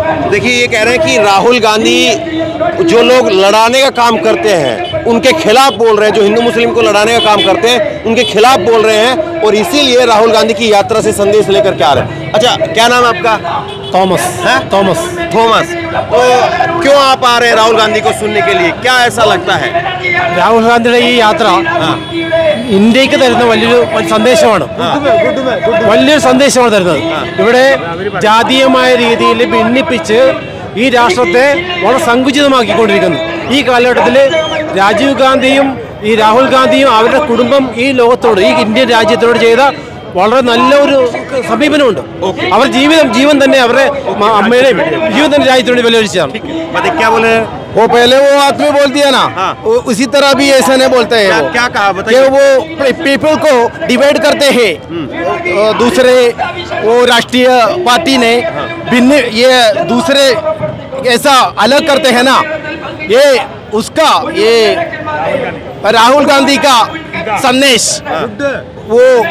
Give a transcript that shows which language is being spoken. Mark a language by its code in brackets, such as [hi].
[hi] देखिए, ये कह रहे हैं कि राहुल गांधी जो लोग लड़ाने का काम करते हैं उनके खिलाफ बोल रहे हैं, जो हिंदू मुस्लिम को लड़ाने का काम करते हैं उनके खिलाफ बोल रहे हैं, और इसीलिए राहुल गांधी की यात्रा से संदेश लेकर क्या आ रहे हैं। अच्छा, क्या नाम है आपका? थॉमस। तो क्यों आप आ रहे हैं राहुल गांधी को सुनने के लिए, क्या ऐसा लगता है? राहुल गांधी की यात्रा [ml] ഇന്ത്യക്ക് തരുന്ന വലിയൊരു സന്ദേശമാണ്, വലിയൊരു സന്ദേശമാണ് തരുന്നത്. ഇവിടെ ജാതീയമായ രീതിയിൽ ഭിന്നിപ്പിച്ച് ഈ രാഷ്ട്രത്തെ വളരെ സങ്കുചിതമാക്കിക്കൊണ്ടിരിക്കുന്നു. ഈ കാലഘട്ടത്തിൽ രാജീവ് ഗാന്ധിയും ഈ രാഹുൽ ഗാന്ധിയും അവരുടെ കുടുംബം ഈ ലോകത്തോട്, ഈ ഇന്ത്യൻ രാജ്യത്തോട് ചെയ്ത വളരെ നല്ല ഒരു സമീപനമുണ്ട്. അവർ ജീവൻ തന്നെ അവരെ അമ്മയുടെയും ജീവൻ തന്നെ രാജ്യത്തിനോട് വിലയിരിച്ചതാണ്. [hi] वो पहले वो आदमी बोल दिया ना, उसी तरह भी ऐसा नहीं बोलते हैं। क्या कहा बताइए? वो पीपल को डिवाइड करते हैं, दूसरे वो राष्ट्रीय पार्टी ने भिन्न ये दूसरे ऐसा अलग करते हैं ना, ये उसका ये राहुल गांधी का संदेश वो